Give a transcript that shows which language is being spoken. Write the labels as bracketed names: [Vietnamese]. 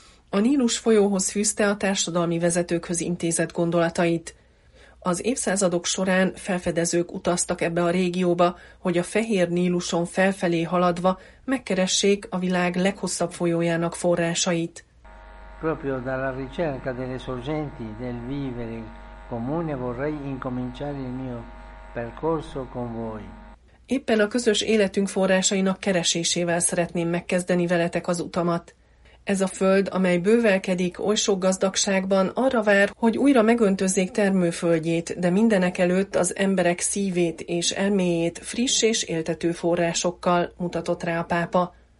[Hungarian] A Nílus folyóhoz fűzte a társadalmi vezetőkhöz intézett gondolatait. Az évszázadok során felfedezők utaztak ebbe a régióba, hogy a fehér Níluson felfelé haladva megkeressék a világ leghosszabb folyójának forrásait. [Italian] Proprio dalla ricerca delle sorgenti del vivere comune vorrei incominciare il mio percorso con voi. [Hungarian] Éppen a közös életünk forrásainak keresésével szeretném megkezdeni veletek az utamat. Ez a föld, amely bővelkedik oly sok gazdagságban, arra vár, hogy újra megöntözzék termőföldjét, de mindenek előtt az emberek szívét és elméjét friss és éltető forrásokkal, mutatott rá a pápa.